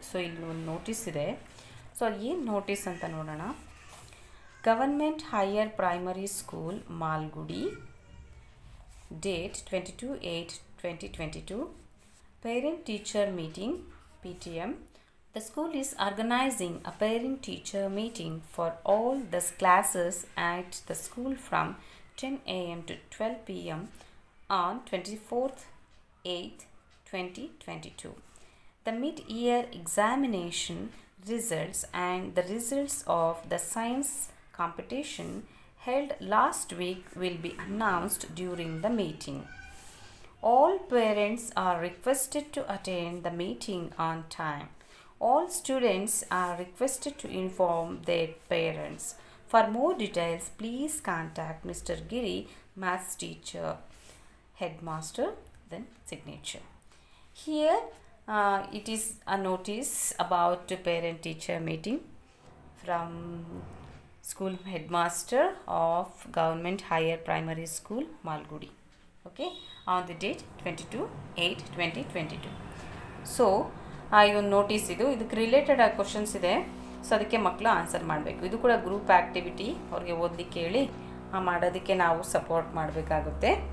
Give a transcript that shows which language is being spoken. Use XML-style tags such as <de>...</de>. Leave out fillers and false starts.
<kn>So ಇಲ್ಲಿ ಒಂದು notice ಇದೆ. ಸೊ ಏನು ನೋಟಿಸ್ ಅಂತ ನೋಡೋಣ.</kn> <en>Government higher primary school Malgudi, date 22/8/2022, parent teacher meeting PTM. The school is organizing a parent teacher meeting for all the classes at the school from 10 a.m. to 12 p.m. on 24/8/2022. The mid-year examination results and the results of the science competition held last week will be announced during the meeting. All parents are requested to attend the meeting on time. All students are requested to inform their parents. For more details, please contact Mr. Giri, Maths teacher, headmaster, then signature. Here, it is a notice about parent-teacher meeting from school headmaster of Government Higher Primary School, Malgudi. Okay, on the date 22/8/2022.</en> <kn>So, ಈ ಒಂದು notice ಇದು, ಇದಕ್ಕೆ related ಆಗಿ questions ಇದೆ. So ಅದಕ್ಕೆ ಮಕ್ಕಳು answer ಮಾಡಬೇಕು. ಇದು ಕೂಡ ಗ್ರೂಪ್ ಆ್ಯಕ್ಟಿವಿಟಿ, ಅವ್ರಿಗೆ ಓದಲಿಕ್ಕೆ ಹೇಳಿ ಮಾಡೋದಕ್ಕೆ ನಾವು ಸಪೋರ್ಟ್ ಮಾಡಬೇಕಾಗುತ್ತೆ.</kn>